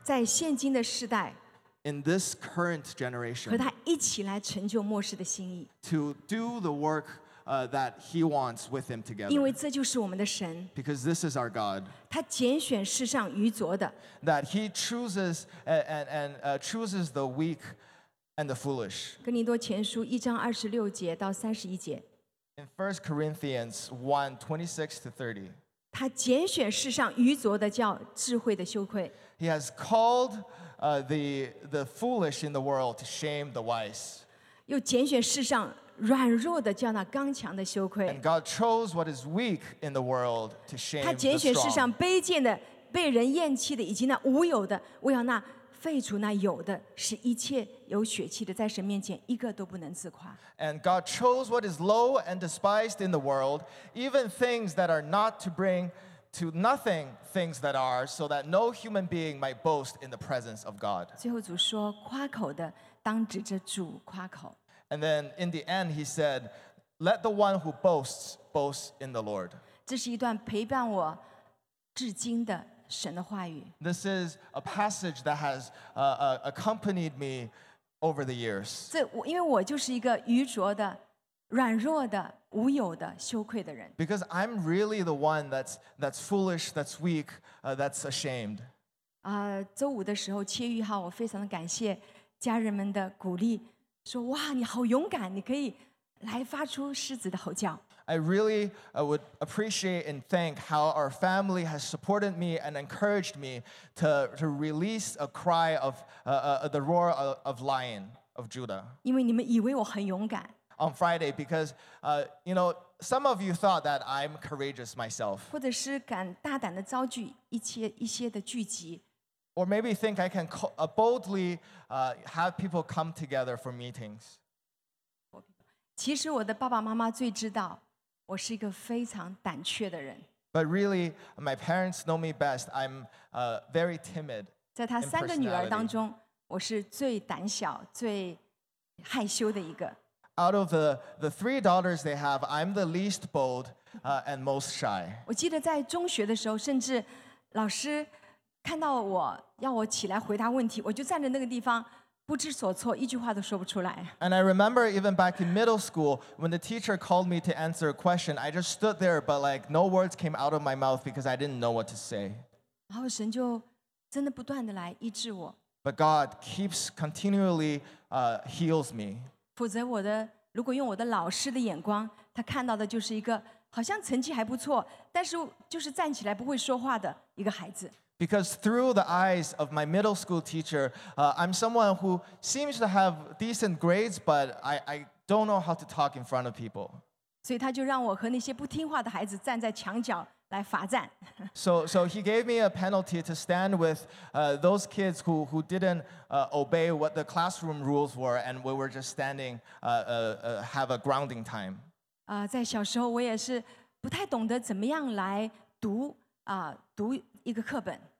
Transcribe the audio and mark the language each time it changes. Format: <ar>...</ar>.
<zh>在现今的世代。</zh> <en>In this current generation.</en> <zh>和他一起来成就末世的心意。</zh> <en>To do the work that he wants with him together.</en> <zh>因为这就是我们的神。</zh> <en>Because this is our God.</en> <zh>他拣选世上愚拙的。</zh> <en>That he chooses chooses the weak and the foolish.</en> <zh>哥林多前书一章二十六节到三十一节。</zh> <en>In 1 Corinthians 1, 26 to 30,</en> <zh>他拣选世上愚拙的叫智慧的羞愧。</zh> <en>He has called the foolish in the world to shame the wise.</en> <zh>又拣选世上软弱的叫那刚强的羞愧。</zh> <en>And God chose what is weak in the world to shame the strong.</en> <zh>他拣选世上卑贱的、被人厌弃的、以及那无有的，为要那废除那有的，使一切有血气的在神面前一个都不能自夸。</zh> <en>And God chose what is low and despised in the world, even things that are not, to bring to nothing things that are, so that no human being might boast in the presence of God.</en> <zh>最后主说，夸口的当指着主夸口。</zh> <en>And then in the end he said, let the one who boasts boast in the Lord.</en> <zh>这是一段陪伴我至今的神的话语。</zh> <en>This is a passage that has accompanied me over the years.</en> <zh>因为我就是一个愚拙的、软弱的、无有的、羞愧的人。</zh> <en>Because I'm really the one that's foolish, that's weak, that's ashamed.</en> <zh>周五的时候，七月一号，我非常的感谢家人们的鼓励，说哇，你好勇敢，你可以来发出狮子的吼叫。</zh> <en>I really would appreciate and thank how our family has supported me and encouraged me to release a cry of the roar of lion of Judah.</en> <zh>因为你们以为我很勇敢。</zh> <en>On Friday, because you know, some of you thought that I'm courageous myself.</en> <zh>或者是敢大胆地遭拒一些的聚集。</zh> <en>Or maybe think I can boldly have people come together for meetings.</en> <zh>其实我的爸爸妈妈最知道。我是一个非常胆怯的人。</zh> <en>But really, my parents know me best. I'm very timid.</en> <zh>在他三个女儿当中，我是最胆小、最害羞的一个。</zh> <en>Out of the three daughters they have, I'm the least bold and most shy.</en> <zh>我记得在中学的时候，甚至老师看到我要我起来回答问题，我就站在那个地方。不知所措，一句话都说不出来。</zh> <en>And I remember even back in middle school, when the teacher called me to answer a question, I just stood there, but like no words came out of my mouth because I didn't know what to say.</en> <zh>然后神就真的不断地来医治我。</zh> <en>But God keeps continually heals me.</en> <zh>否则我的，如果用我的老师的眼光，他看到的就是一个好像成绩还不错，但是就是站起来不会说话的一个孩子。</zh> <en>Because through the eyes of my middle school teacher, I'm someone who seems to have decent grades, but I don't know how to talk in front of people.</en> <zh>所以他就让我和那些不听话的孩子站在墙角来罚站。</zh> <en>So he gave me a penalty to stand with those kids who didn't obey what the classroom rules were, and we were just standing have a grounding time.</en> <zh>在小时候我也是不太懂得怎么样来读读一个课本。</zh>